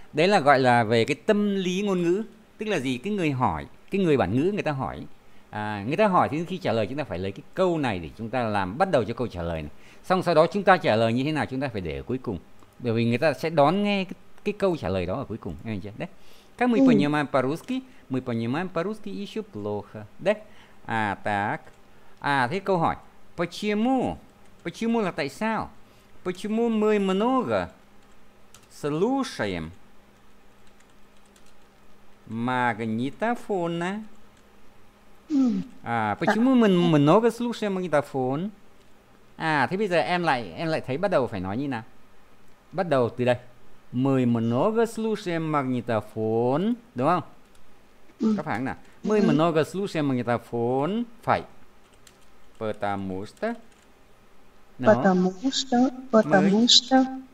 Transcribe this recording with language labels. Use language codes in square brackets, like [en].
[vi] Đấy là gọi là về cái tâm lý ngôn ngữ. Tức là gì? Cái người hỏi, cái người bản ngữ người ta hỏi. À, người ta hỏi thì khi trả lời chúng ta phải lấy cái câu này để chúng ta làm bắt đầu cho câu trả lời này. Xong sau đó chúng ta trả lời như thế nào chúng ta phải để ở cuối cùng. Bởi vì người ta sẽ đón nghe cái câu trả lời đó ở cuối cùng. Em hiểu chưa? Đấy. [ru] Как мы понимаем по-русски? Мы понимаем по-русски еще плохо. Да? А, так. А, [vi] thế câu hỏi. [ru] Почему? [vi] Почему là tại sao? [ru] Почему мы много слушаем магнитофона? À, почему мы много слушаем магнитофон? [vi] À, thế bây giờ em lại thấy bắt đầu phải nói như nào? Bắt đầu từ đây. [ru] Мы много слушаем магнитофон, [vi] đúng không? Có phải không nào? [ru] Мы много слушаем магнитофон, [vi] phải. [ru] Потому что.